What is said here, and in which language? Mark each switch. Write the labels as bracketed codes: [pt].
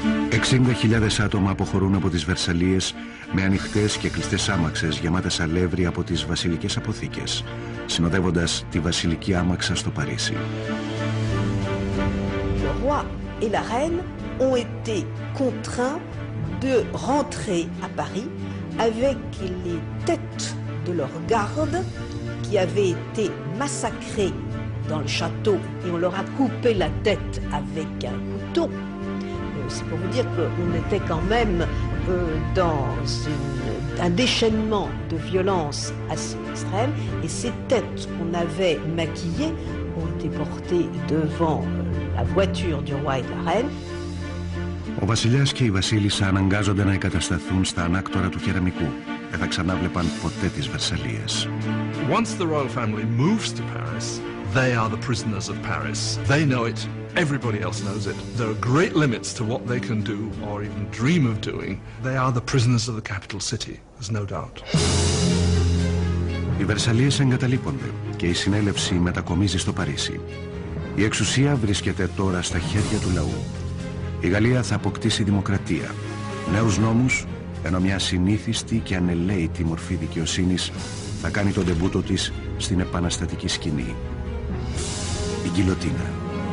[el] 60.000 άτομα αποχωρούν από τις Βερσαλίες με ανοιχτές και κλειστές άμαξες γεμάτες αλεύρι από τις βασιλικές αποθήκες, συνοδεύοντας τη βασιλική άμαξα στο Παρίσι. [fr] Le roi et la reine ont été contraints de rentrer à Paris avec les têtes de leurs gardes qui avaient été massacrées dans le château et on leur a coupé la tête avec un couteau. C'est pour vous dire qu'on était quand même dans un déchaînement de violence assez extrême et ces têtes qu'on avait maquillées ont été portées devant la voiture du roi et de la reine. [el] Ο βασιλιάς και η βασίλισσα αναγκάζονται να εγκατασταθούν στα ανάκτορα του κεραμικού. Δεν θα ξανάβλεπαν ποτέ τις Βερσαλίες. [en] Once the royal family moves to Paris, they are the prisoners of Paris. They know it. Everybody else knows it. There are great limits to what they can do or even dream of doing. They are the prisoners of the capital city, there's no doubt. [el] Οι Βερσαλίες εγκαταλείπονται και η συνέλευση μετακομίζει στο Παρίσι. Η εξουσία βρίσκεται τώρα στα χέρια του λαού. Η Γαλλία θα αποκτήσει δημοκρατία, νέους νόμους, ενώ μια συνήθιστη και ανελαίτη μορφή δικαιοσύνης θα κάνει τον ντεμπούτο της στην επαναστατική σκηνή. Η γκιλοτίνα.